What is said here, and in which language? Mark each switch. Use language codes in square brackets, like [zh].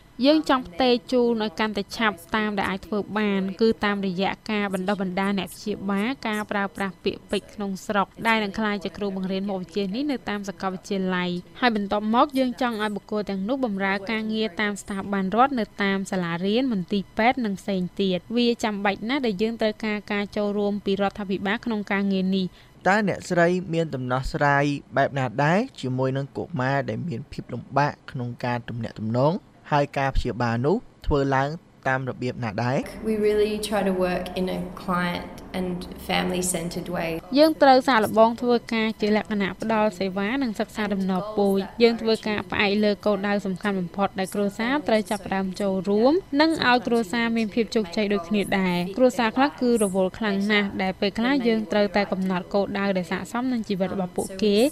[km] យើងចង់ផ្ទេរជូនឲ្យកាន់តែឆាប់តាមដែលអាចធ្វើបានគឺតាមរយៈការបណ្ដុះបណ្ដាលអ្នកព្យាបាលការប្រើប្រាស់ពាក្យពេចន៍ក្នុងស្រុកដែលនឹងក្លាយជាគ្រូបង្រៀនមុខវិជ្ជានេះនៅតាមសាកលវិទ្យាល័យហើយបន្តមកយើងចង់ឲ្យបុគ្គលទាំងនោះបម្រើការងារតាមស្ថាប័នរដ្ឋនៅតាមសាលារៀនមន្ទីរពេទ្យនិងផ្សេងទៀតវាចាំបាច់ណាស់ដែលយើងត្រូវការការចូលរួមពីរដ្ឋាភិបាលក្នុងការងារនេះ តើអ្នកស្រីមានដំណោះស្រាយបែបណាដែរជាមួយនឹងកុមារដែលមានភាពលំបាកក្នុងការទំនាក់ទំនងហើយការព្យាបាលនោះធ្វើឡើងតាមរបៀបណាដែរ [en] We really try to work in a client and family centered way [km] យើងត្រូវសាកល្បងធ្វើការជាលក្ខណៈផ្ដល់សេវានិងសិក្សាដំណពូជយើងធ្វើការផ្អែកលើគោលដៅសំខាន់បំផុតដែលគ្រួសារត្រូវចាប់ផ្ដើមចូលរួមនិងឲ្យគ្រួសារមានភាពជោគជ័យដូចគ្នាដែរគ្រួសារខ្លះគឺរវល់ខ្លាំងណាស់ដែលពេលខ្លះយើងត្រូវតែកំណត់គោលដៅដែលស័ក្តិសមនឹងជីវិតរបស់ពួកគេ